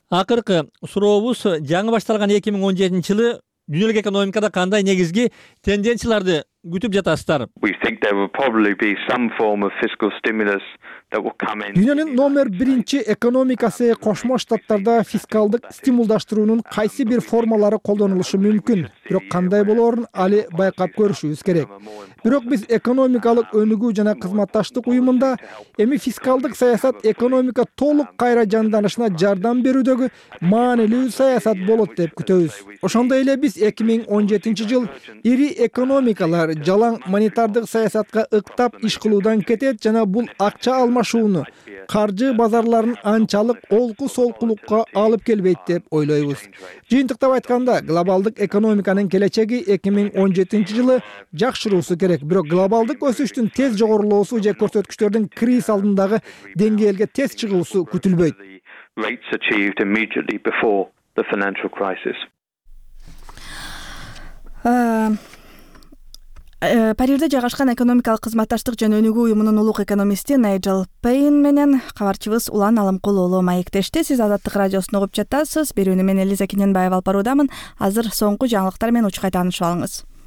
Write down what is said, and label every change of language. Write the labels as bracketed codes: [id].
[ky] Акыркы сурообуз, жаңы башталган 2017 жылы дүйнөлүк экономикада кандай негизги тенденцияларды күтүп жатасыздар? [en] We think there will probably be some form of fiscal stimulus that will come in. [ky] Дүйнөнүн номер 1-чи экономикасы Кошмо Штаттарда фискалдык стимулдаштыруунун кайсы бир формалары колдонулушу мүмкүн, бирок кандай болорун али байкап көрүшүбүз керек. Бирок биз экономикалык өнүгүү жана кызматташтык уюмунда эми фискалдык саясат экономика толук кайра жанданышына жардам берүүдөгү маанилүү саясат болот деп күтөбүз. Ошондой эле биз 2017 жыл ири экономикалар жалаң монетардык саясатка ыктап иш кылуудан кетет жана бул акча алмашууну каржы базарларын анчалык олку солкулукка алып келбейт деп ойлойбуз. Жыйынтыктап айтканда, глобалдык экономиканын келечеги 2017 жылы жакшыруусу керек, бирок глобалдык өсүштүн тез жогорулоосу же көрсөткүчтөрдүн криз алдындагы деңгээлге тез чыгуусу күтүлбөйт. [en] Rates achieved immediately before the financial crisis. [ky] Парижде жайгашкан экономикалык кызматташтык жана өнүгүү уюмунун улук экономисти Найджел Пейн менен кабарчыбыз Улан Алымкулуулу маектеште. Сиз Азаттык радиосун угуп жатасыз. Берүүнү мен Элиза Кененбаева алып баруудамын. Азыр соңку жаңылыктар менен учурга таанышып алыңыз.